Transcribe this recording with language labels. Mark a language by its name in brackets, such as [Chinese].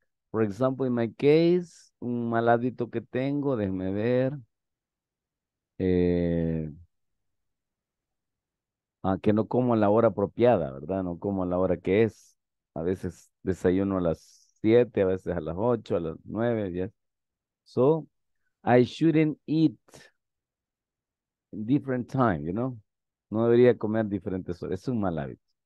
[English] For example, in my case, [Spanish] un mal hábito que tengo, déjeme ver. Que no como a la hora apropiada, ¿verdad? No como a la hora que es. A veces desayuno a las 7, a veces a las 8, a las 9, ya. [English] Yeah. So, I shouldn't eat in different time, you know? [Spanish] No debería comer diferentes horas. Es un mal hábito.